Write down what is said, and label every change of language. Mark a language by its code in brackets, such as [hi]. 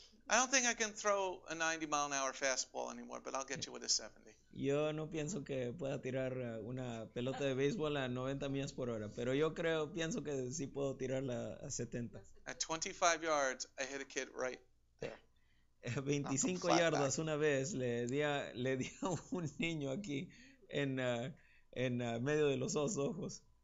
[en] I don't think I can throw a 90 mile an hour fastball anymore, but I'll get you with a 70. [es] Yo no pienso que pueda tirar una pelota de béisbol a 90 millas por hora, pero yo creo, pienso que sí puedo tirarla a 70. [en] At 25 yards, I hit a kid right there. [es] 25 yardas una vez le di a un niño aquí en medio de los dos ojos.